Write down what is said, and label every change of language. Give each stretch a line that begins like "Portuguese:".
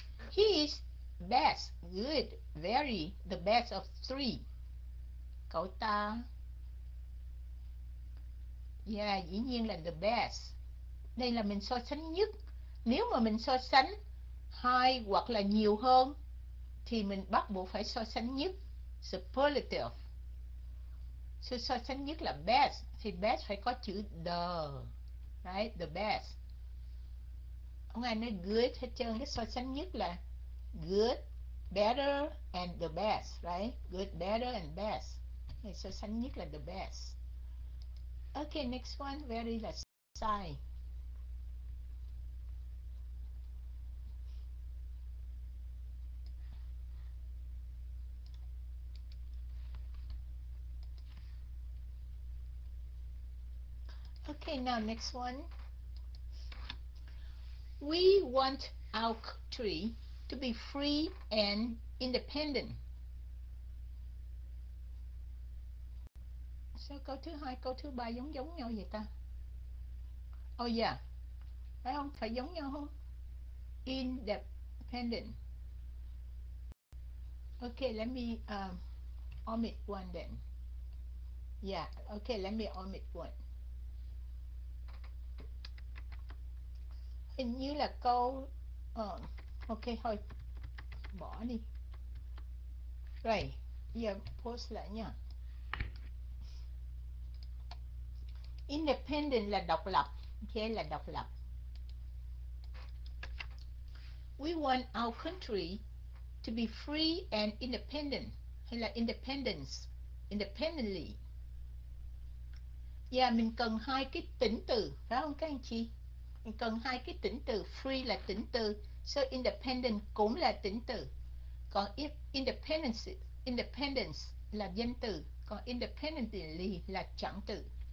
English: He is best, good, very, the best of three.
Vietnamese: Cậu ta. Yeah, dĩ nhiên là the best. Đây là mình so sánh nhất. Nếu mà mình so sánh hai hoặc là nhiều hơn thì mình bắt buộc phải so sánh nhất, superlative. So sánh nhất là best thì best phải có chữ the.
English: Right, the best.
Vietnamese: Không ai nói good hết trơn, cái so sánh nhất là
English: good, better and the best,
Vietnamese: right?
English: Good, better and best.
Vietnamese: So sánh nhất là the best.
English: Okay, next one, very
Vietnamese: là sai.
English: Okay, now next one. We want our country to be free and independent.
Vietnamese: Sao câu thứ hai, câu thứ ba giống giống nhau vậy ta? Oh yeah. Phải không? Phải giống nhau không? Independent.
English: Okay, let me omit one then. Yeah, okay, let me omit one.
Vietnamese: Hình như là câu ok thôi bỏ đi rồi giờ post lại nha. Independent là độc lập, Thế là độc lập.
English: We want our country to be free and independent,
Vietnamese: hay là
English: independence, independently.
Vietnamese: Yeah, mình cần hai cái tính từ, phải không các anh chị? Mình cần hai cái tính từ, free là tính từ, so independent cũng là tính từ. Còn independence, independence là danh từ, còn independently là chẳng từ.